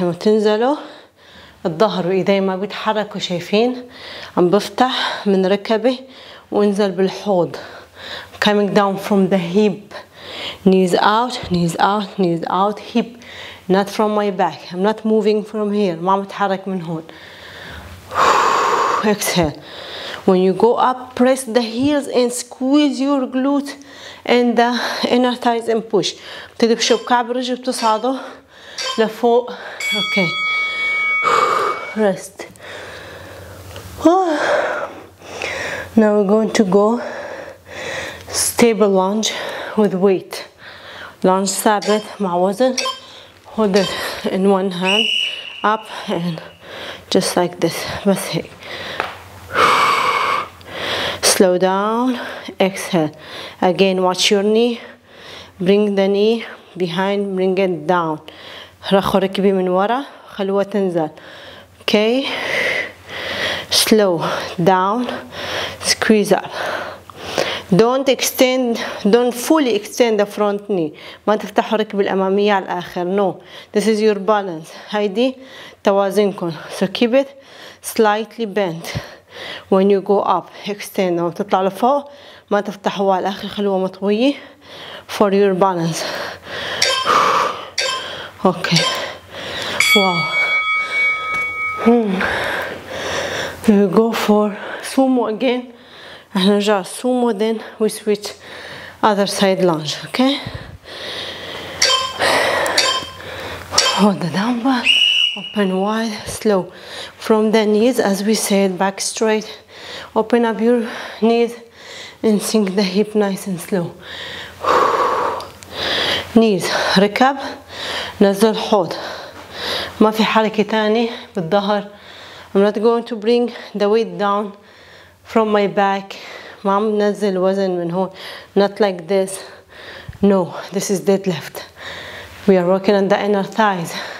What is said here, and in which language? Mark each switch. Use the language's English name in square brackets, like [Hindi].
[Arabic] لما تنزلوا الظهر وإيدي ما بيتحركوا شايفين. عم بفتح من ركبي وانزل بالحوض. [English] Coming down from the hip. Knees out, knees out, knees out. Hip. Not from my back. I'm not moving from here. [Arabic] ما عم بتحرك من هون. [English] Exhale. When you go up, press the heels and squeeze your glute and the inner thighs and push. [Arabic] بتدي بشوف كعب الرجل بتصعده لفوق. [English] Okay. Rest. Now we're going to go stable lunge with weight. [Arabic] Lunge ثابت مع وزن. [English] Hold it in one hand. Up and just like this. [Arabic] بس هيك. [English] Slow down, exhale. Again, watch your knee. bring the knee behind, bring it down. [Arabic] رخوا ركبي من ورا خلوها تنزل. [English] Okay. Slow down. Squeeze up. Don't extend, don't fully extend the front knee. [Arabic] ما تفتحوا ركبي الأمامية على الآخر. [English] No. This is your balance. [Arabic] هيدي توازنكم. [English] So keep it slightly bent. When you go up, extend. [Arabic] أو تطلع لفوق ما تفتحوا على الآخر خلوها مطوية. [English] For your balance. Okay. Wow. We go for sumo again. [Arabic] احنا نرجع [English] sumo then we switch other side lunge. Okay. Hold the dumbbell. Open wide, slow. From the knees, as we said, back straight. Open up your knees and sink the hip nice and slow. [Arabic] Knees, ركب, نزل حوض. ما في حركة تانية بالظهر. [English] I'm not going to bring the weight down from my back. [Arabic] ما عم نزل وزن من هون. [English] Not like this. No, this is deadlift. We are working on the inner thighs.